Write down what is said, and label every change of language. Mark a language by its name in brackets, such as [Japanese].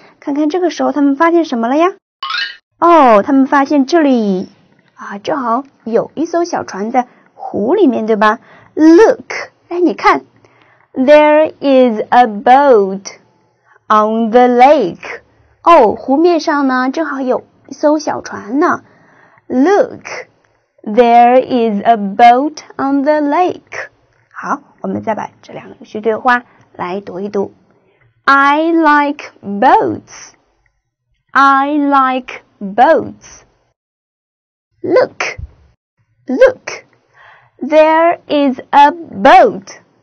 [Chinese] 看看这个时候他们发现什么了呀？他们发现这里正好有一艘小船在湖里面，对吧？ [English] Look， [Chinese] 你看。 [English] There is a boat on the lake. [Chinese] 湖面上呢正好有一艘小船呢。 [English] Look, there is a boat on the lake. [Chinese] 好，我们再把这两句对话来读一读。 [English] I like boats. I like boats. Look, look, there is a boat.